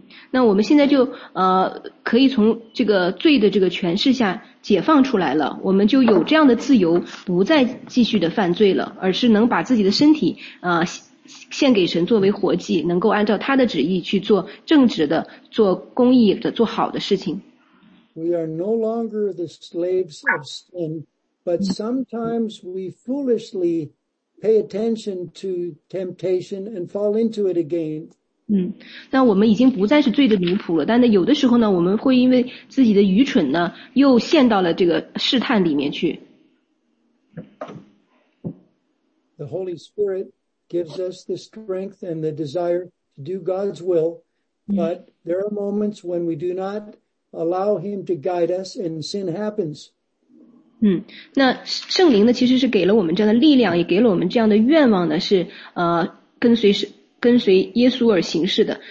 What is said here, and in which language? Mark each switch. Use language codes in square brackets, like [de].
[zh] 那我们现在就可以从这个罪的这个权势下解放出来了，我们就有这样的自由，不再继续的犯罪了，而是能把自己的身体献给神作为活祭，能够按照他的旨意去做正直的、做公义的、做好的事情。 [en] We are no longer the slaves of sin, but sometimes we foolishly pay attention to temptation and fall into it again. [zh] 那我们已经不再是罪的奴仆了，但是有的时候呢，我们会因为自己的愚蠢呢，又陷到了这个试探里面去。 [en] The Holy Spirit gives us the strength and the desire to do God's will, But there are moments when we do not allow him to guide us and sin happens. [zh] 那圣灵呢其实是给了我们这样的力量也给了我们这样的愿望呢是跟随耶稣而行事的。